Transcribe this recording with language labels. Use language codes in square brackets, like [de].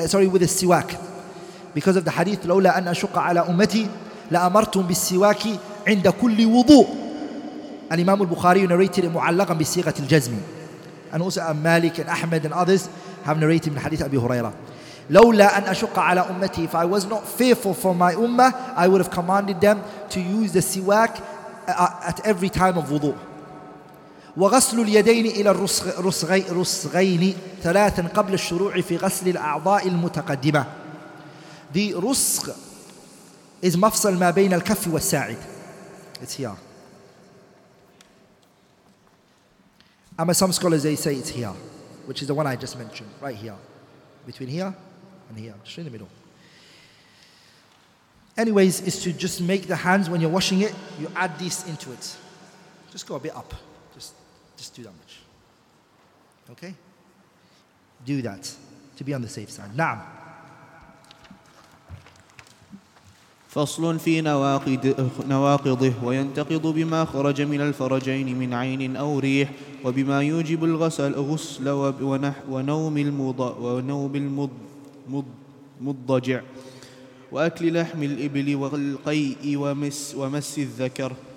[en] With a siwak. Because of the hadith, [ar] لَوْلَا أَنْ أَشُقَّ عَلَىٰ أُمَّتِي لَأَمَرْتُمْ بِالسِّوَاكِ عِنْدَ كُلِّ وُضُوءٍ. [en] Al-Imam al-Bukhari narrated it [ar] مُعَلَّقًا بِسِيغَةِ الْجَزْمِ. [en] And also Malik and Ahmed and others have narrated in hadith Abi Hurairah. [ar] Lawla an ashuqqa ala ummati, [en] if I was not fearful for my ummah, I would have commanded them to use the siwak at every time of wudu. [ar] وغسل اليدين إلى الرسغين ثلاثا قبل الشروع في غسل الأعضاء المتقدمة. The رسغ is مفصل ما بين الكف والساعد. [en] It's here. And some scholars, they say it's here, which is the one I just mentioned, right here. Between here and here, just in the middle. Anyways, is to just make the hands, when you're washing it, you add this into it. Just go a bit up. Just do that much. Okay? Do that to be on the safe side. Naam. [ar] فصل في نواقضه وينتقض بما خرج من الفرجين من عين أو ريح وبما يوجب الغسل غسل ونوم المضجع وأكل لحم الإبل والقيء ومس الذكر.